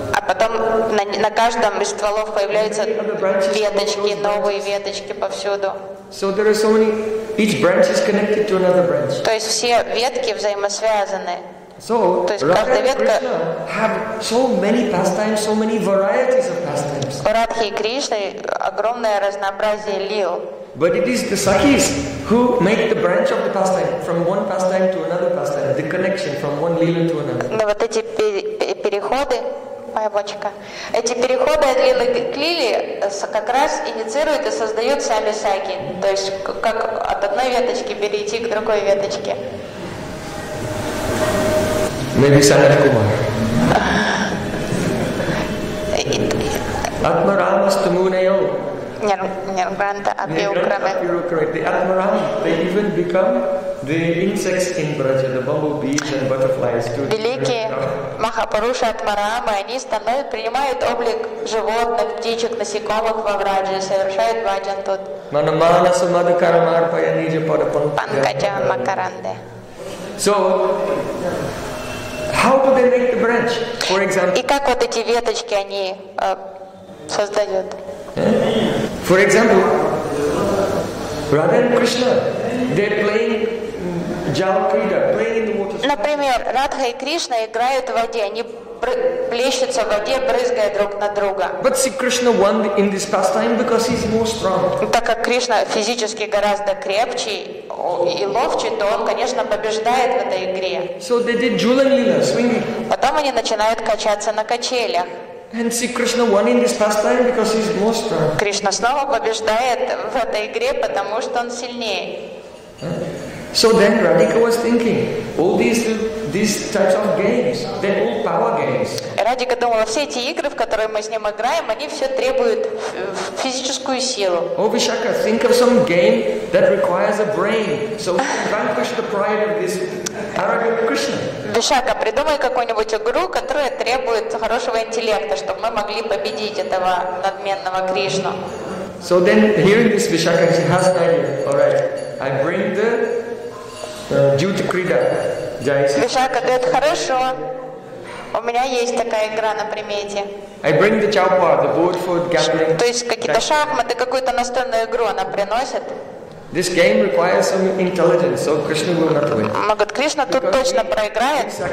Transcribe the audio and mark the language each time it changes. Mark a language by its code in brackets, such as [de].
[ru] А потом на каждом из стволов появляются веточки, новые веточки повсюду. [en] So there is only each branch is connected to another branch. [ru] То есть все ветки взаимосвязаны. [en] So, [ru] то есть каждая ветка. [en] Have so many pastimes, so many varieties of pastimes. [ru] У Радхи и Кришны огромное разнообразие лил. [en] But it is the sakis who make the branch of the pastime from one pastime to another pastime, the connection from one lila to another. [ru] Но вот эти переходы. Моя бочка. Эти переходы от лилы к лиле как раз инициируют и создают сами саки. То есть как от одной веточки перейти к другой веточке. [en] Maybe Sanat Kumar. [sa] Atmarama stamunayo. Nirvanta apirukrame. [en] The Atmarama, they even become the insects in Braja, the bumblebees and butterflies. [ru] Великие Махапуруши Атмарама, они становятся, принимают облик животных, птичек, насекомых во Враджи, совершают бхаджан тут. [sa] Манамана самада карамарпая нижа парапанка. Панкача макаранде. [en] So, how do they make the branch, for example? [ru] И как вот эти веточки они создают? [en] For example, Radha and Krishna, they're playing jal krida, playing in the water. [ru] Например, Радха и Кришна играют в воде, они плещутся в воде, брызгая друг на друга. [en] But see, Krishna won in this pastime because he's more strong. [ru] Так как Кришна физически гораздо крепче и ловче, то он, конечно, побеждает в этой игре. [en] So they did jhulan lila, swinging. [ru] Потом они начинают качаться на качелях. [en] And see, Krishna won in this pastime because he's more strong. [ru] Кришна снова побеждает в этой игре, потому что он сильнее. [en] So then Radhika was thinking, all these types of games, they're all power games. [ru] Радика думала, все эти игры, в которые мы с ним играем, они все требуют физическую силу. [en] Oh, Vishaka, think of some game that requires a brain, so vanquish the pride of this arrogant Krishna. [ru] Вишака, придумай какую-нибудь игру, которая требует хорошего интеллекта, чтобы мы могли победить этого надменного Кришну. [en] So then, hearing this, Вишака, she has an idea. All right, I bring the Jyoti Krida. [ru] Вишака говорит, хорошо, у меня есть такая игра на примете. [en] I bring the chaupa, the board for gambling. [ru] То есть какие-то шахматы, какую-то настольную игру она приносит. [en] This game requires some intelligence, so Krishna will not win. [ru] Может, Кришна тут точно проиграет,